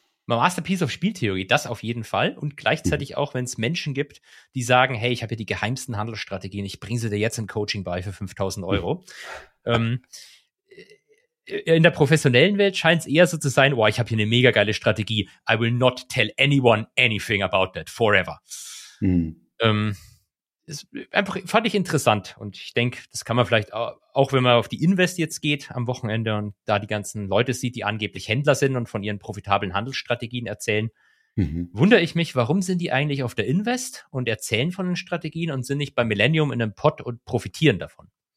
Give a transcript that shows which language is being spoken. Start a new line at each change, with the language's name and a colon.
German: Ein Masterpiece auf Spieltheorie, das auf jeden Fall. Und gleichzeitig auch, wenn es Menschen gibt, die sagen, hey, ich habe hier die geheimsten Handelsstrategien, ich bringe sie dir jetzt im Coaching bei für 5.000 Euro. In der professionellen Welt scheint es eher so zu sein, ich habe hier eine mega geile Strategie.
English: I will not tell anyone anything about that forever.
German: Fand ich interessant. Und ich denke, das kann man vielleicht auch, wenn man auf die Invest jetzt geht am Wochenende und da die ganzen Leute sieht, die angeblich Händler sind und von ihren profitablen Handelsstrategien erzählen, wundere ich mich, warum sind die eigentlich auf der Invest und erzählen von den Strategien und sind nicht bei Millennium in einem Pot und profitieren davon?